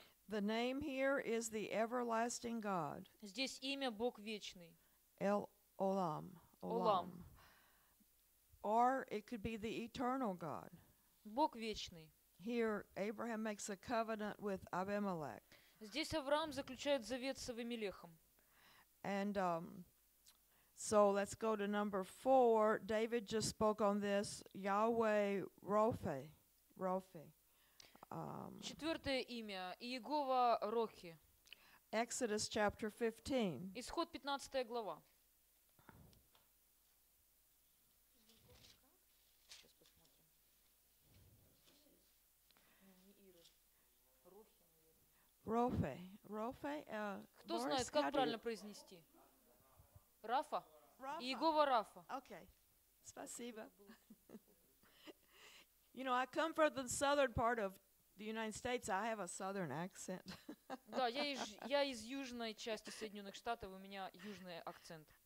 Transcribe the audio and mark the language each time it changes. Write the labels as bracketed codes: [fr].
[en] The name here is the everlasting God. [ru] Здесь имя Бог вечный. [en] El-Olam. Or it could be the eternal God. [ru] Бог вечный. [en] Here Abraham makes a covenant with Abimelech. [ru] Здесь Авраам заключает завет с Авимелехом. [en] And so let's go to number 4. David just spoke on this. Yahweh Rophe. Rophe. [ru] Четвертое имя Иегова Рохи. [en] Exodus chapter 15. [ru] Исход 15 глава. Рофе. Кто знает, как правильно произнести? Рафа. Иегова Рафа. Okay. Спасибо. [en] You know, I come from the southern part of the United States. I have a southern accent. [ru] Да, я из южной части Соединенных Штатов, у меня южный акцент.